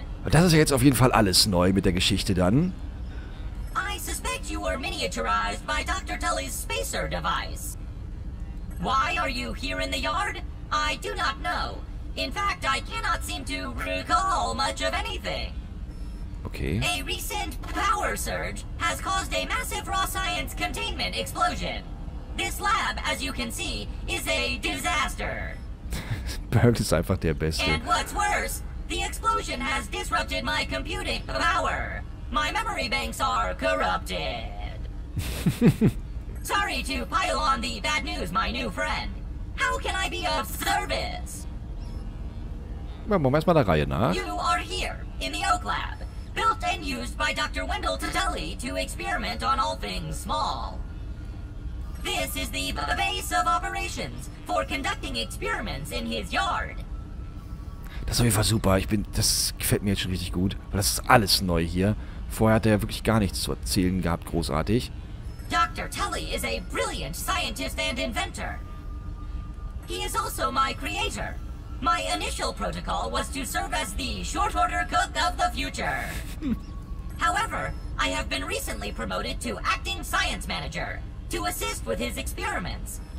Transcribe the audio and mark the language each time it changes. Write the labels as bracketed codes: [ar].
[de] Das ist ja jetzt auf jeden Fall alles neu mit der Geschichte dann. [en] I suspect you were miniaturized by Dr. Tully's spacer device. Why are you here in the yard? I do not know. In fact, I cannot seem to recall much of anything. Okay. A recent power surge has caused a massive raw science containment explosion. This lab, as you can see, is a disaster. [de] Burgle ist einfach der Beste. [en] And what's worse, the explosion has disrupted my computing power. My memory banks are corrupted. Sorry to pile on the bad news, my new friend. How can I be of service? [de] Wir machen erstmal der Reihe nach. [en] You are here, in the Oak Lab. Built and used by Dr. Wendell Tully to experiment on all things small. This is the base of operations for conducting experiments in his yard. [de] Das ist auf jeden Fall super. Das gefällt mir jetzt schon richtig gut. Weil das ist alles neu hier. Vorher hat er ja wirklich gar nichts zu erzählen gehabt, großartig. [en] Dr. Tully is a brilliant scientist and inventor. He is also my creator. My initial protocol was to serve as the short-order cook of the future. However, I have been recently promoted to acting science manager to assist with his experiments.